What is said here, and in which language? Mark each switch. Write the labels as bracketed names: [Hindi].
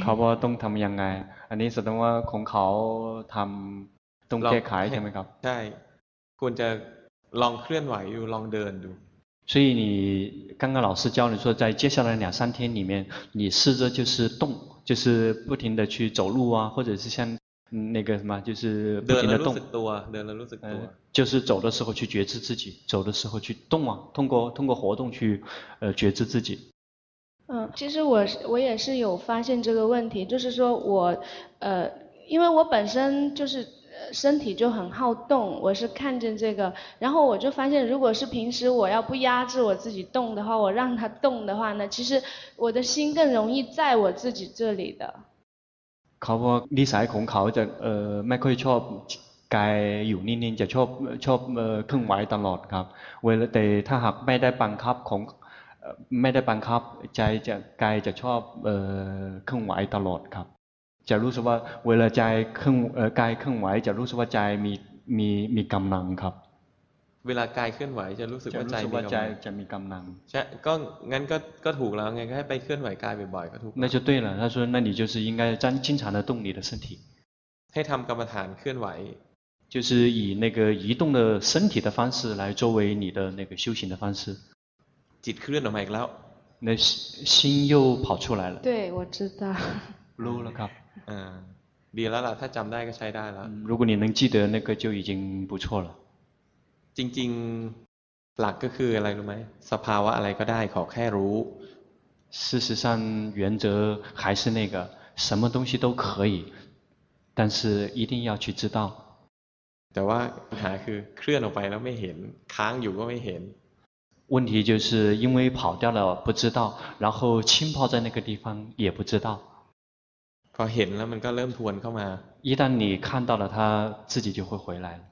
[Thai] เขาบอกต้องทำยังไงอันนี้แสดงว่าของเขาทำต้องแก้ไขใช่ไหมครับ ใช่ควรจะลองเคลื่อนไหวอยู่ลองเดินดู [Chinese] 所以你刚刚老师教你说在接下来两三天里面你试着就是动就是不停的去走路啊或者是像那个什么就是不停的动 [Thai] เดินแล้วรู้สึกตัวเดินแล้วรู้สึกตัว [Chinese] 就是走的时候去觉知自己走的时候去动啊通过活动去觉知自己嗯其实我也是有发现这个问题就是说我因为我本身就是身体就很好动我是看见这个然后我就发现如果是平时我要不压制我自己动的话我让它动的话呢其实我的心更容易在我自己这里的 [Thai] เขาบอกนิสัยของเขาจะไม่ค่อยชอบกายอยู่นิ่งๆจะชอบเคลื่อนไหวตลอดครับเวลาแต่ถ้าหากไม่ได้บังคับของไม่ได้บังคับใจจะกายจะชอบเคลื่อนไหวตลอดครับจะรู้สึกว่าเวลาใจเคลื่อนกายเคลื่อนไหวจะรู้สึกว่าใจมีกำลังครับ เวลากายเคลื่อนไหวจะรู้สึกว่า ใจจะมีกำลัง ใช่ก็งั้นก็ถูกแล้วไงให้ไปเคลื่อนไหวกายบ่อยๆก็ถูก [Chinese] 那就对了他说那你就是应该增经常的动你的身体 [Thai] ให้ทำกรรมฐานเคลื่อนไหว [Chinese] 就是以那个移动的身体的方式来作为你的那个修行的方式 [Thai] จิตเคลื่อนออกมาอีกแล้ว [Chinese] 那心又跑出来了对我知道 [Thai] รู้แล้วครับ ดีแล้วล่ะถ้าจำได้ก็ใช้ได้แล้ว [Chinese] 如果你能记得那个就已经不错了 [Thai] จริงๆหลักก็คืออะไรรู้ไหมสภาวะอะไรก็ได้ขอแค่รู้ [Chinese] 事实上原则还是那个什么东西都可以但是一定要去知道 [Thai] แต่ว่าปัญหาคือเคลื่อนออกไปแล้วไม่เห็นค้างอยู่ก็ไม่เห็น [Chinese] 问题就是因为跑掉了不知道然后浸泡在那个地方也不知道 [Thai] พอเห็นแล้วมันก็เริ่มทวนเข้ามา [Chinese] 一旦你看到了它自己就会回来